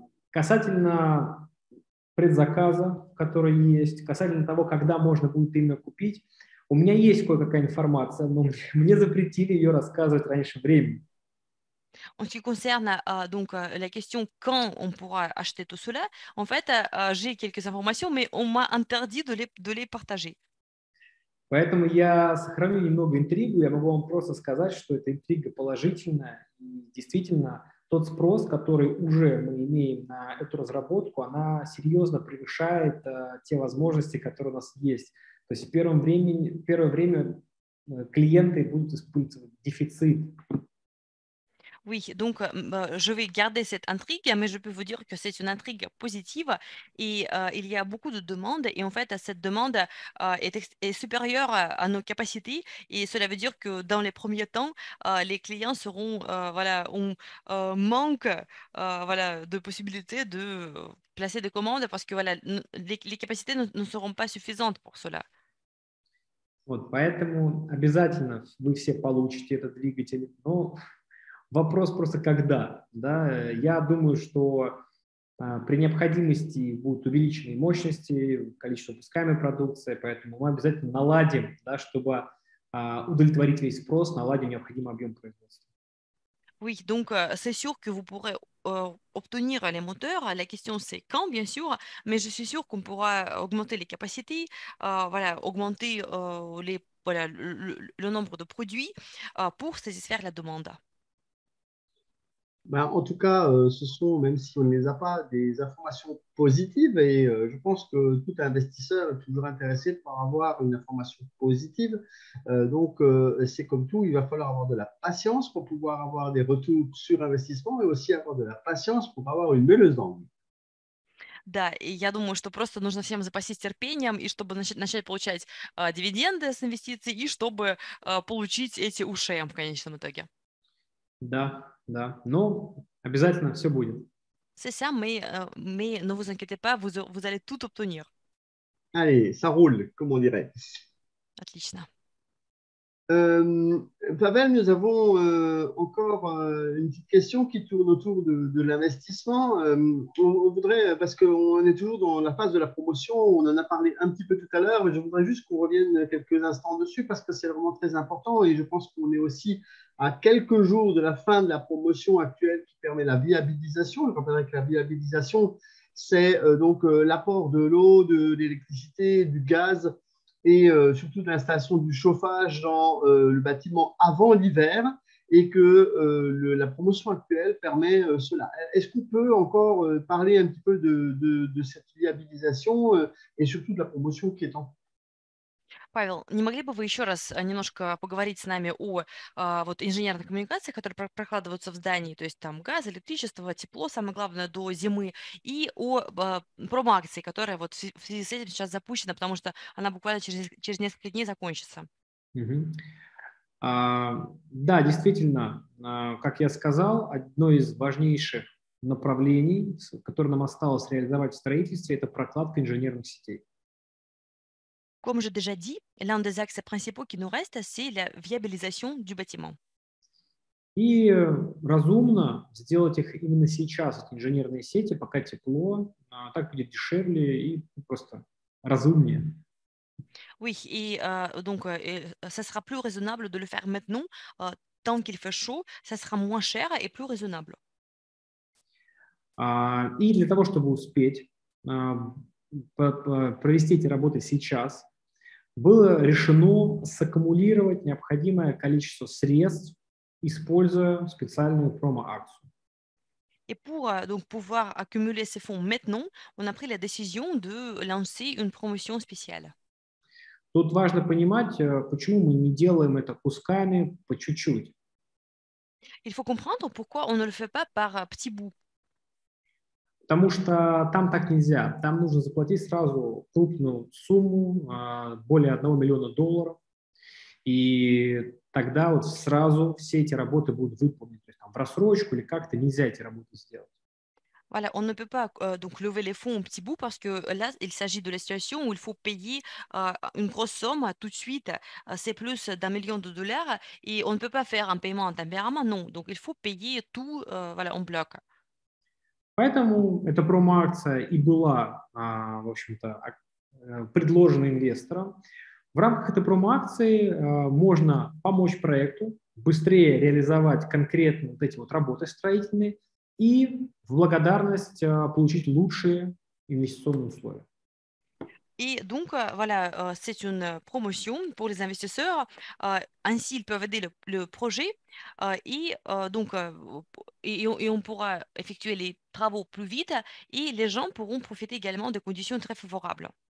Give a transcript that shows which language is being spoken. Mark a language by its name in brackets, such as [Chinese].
[Russian] Касательно предзаказа, который есть, касательно того, когда можно будет именно купить, у меня есть кое-какая информация, но мне запретили ее рассказывать раньше времени. [French] En ce qui concerne donc la question quand on pourra acheter tout cela, en fait j'ai quelques informations, mais on m'a interdit de les partager. [Russian] Поэтому я сохраню немного интригу, я могу вам просто сказать, что эта интрига положительная, и действительно, тот спрос, который уже мы имеем на эту разработку, она серьезно превышает те возможности, которые у нас есть. То есть в первое время клиенты будут испытывать дефицит. [French] Oui, donc je vais garder cette intrigue, mais je peux vous dire que c'est une intrigue positive et il y a beaucoup de demandes et en fait cette demande est supérieure à nos capacités et cela veut dire que dans les premiers temps les clients seront manque de possibilités de placer des commandes parce que voilà les capacités ne seront pas suffisantes pour cela. [Russian] Вот поэтому обязательно вы все получите этот двигатель, но вопрос просто когда, да? Я думаю, что при необходимости будут увеличены мощности, количество выпускаемой продукции, поэтому мы обязательно наладим, да, чтобы удовлетворить весь спрос, наладим необходимый объем производства. [French] Oui, donc c'est sûr que vous pourrez obtenir les moteurs. La question c'est quand, bien sûr, mais je suis sûr qu'on pourra augmenter les capacités, augmenter le nombre de produits pour satisfaire la demande. Ben, en tout cas, ce sont, même si on ne les a pas, des informations positives et je pense que tout investisseur est toujours intéressé par avoir une information positive. Donc, c'est comme tout, il va falloir avoir de la patience pour pouvoir avoir des retours sur investissement et aussi avoir de la patience pour avoir une meilleure vente. [Russian] Да, и я думаю, что просто нужно всем запастись терпением, и чтобы начать получать дивиденды с инвестиций, и чтобы получить эти ушей в конечном итоге. Да. Да, но обязательно все будет. [French] C'est ça, mais ne vous inquiétez pas, vous allez tout obtenir. Allez, ça roule, comme on dirait. [Russian] Отлично. [French] Pavel, nous avons encore une petite question qui tourne autour de l'investissement. On voudrait, parce qu'on est toujours dans la phase de la promotion, on en a parlé un petit peu tout à l'heure, mais je voudrais juste qu'on revienne quelques instants dessus parce que c'est vraiment très important et je pense qu'on est aussi à quelques jours de la fin de la promotion actuelle qui permet la viabilisation. Je rappelle que la viabilisation, c'est l'apport de l'eau, de l'électricité, du gaz et surtout de l'installation du chauffage dans le bâtiment avant l'hiver, et que la promotion actuelle permet cela. Est-ce qu'on peut encore parler un petit peu de cette viabilisation et surtout de la promotion qui est en cours? [Russian] Павел, не могли бы вы еще раз немножко поговорить с нами о инженерных коммуникациях, которые прокладываются в здании, то есть там газ, электричество, тепло, самое главное, до зимы, и о промо-акции, которая вот в связи с этим сейчас запущена, потому что она буквально через несколько дней закончится. Угу. Да, действительно, как я сказал, одно из важнейших направлений, которое нам осталось реализовать в строительстве, это прокладка инженерных сетей. [French] Comme j'ai déjà dit, l'un des axes principaux qui nous reste, c'est la viabilisation du bâtiment. [Russian] И разумно сделать их именно сейчас, эти инженерные сети, пока тепло, так будет дешевле и просто разумнее. [French] Oui, ça sera plus raisonnable de le faire maintenant, tant qu'il fait chaud, ça sera moins cher et plus raisonnable. [Russian] И для того, чтобы успеть провести эти работы сейчас, было решено саккумулировать необходимое количество средств, используя специальную промо-акцию. [French] И pouvoir accumuler ces fonds maintenant, on a pris la décision de lancer une promotion spéciale. [Russian] Тут важно понимать, почему мы не делаем это кусками, по чуть-чуть. [French] Il faut comprendre pourquoi on ne le fait pas par petits bouts. [Russian] Потому что там так нельзя. Там нужно заплатить сразу крупную сумму, более $1 миллиона. И тогда вот сразу все эти работы будут выполнены. То есть там в рассрочку или как-то нельзя эти работы сделать. [French] Voilà, on ne peut pas donc lever les fonds en petit bout parce que là, il s'agit de la situation où il faut payer une grosse somme tout de suite. C'est plus $1 million. Et on ne peut pas faire un paiement temporairement, non. Donc il faut payer tout en bloc. [Russian] Поэтому эта промо-акция и была, в общем-то, предложена инвесторам. В рамках этой промо-акции можно помочь проекту быстрее реализовать конкретно вот эти вот работы строительные и в благодарность получить лучшие инвестиционные условия. [French] Et donc, c'est une promotion pour les investisseurs. Ainsi, ils peuvent aider le projet. Et on pourra effectuer les travaux plus vite. Et les gens pourront profiter également de conditions très favorables.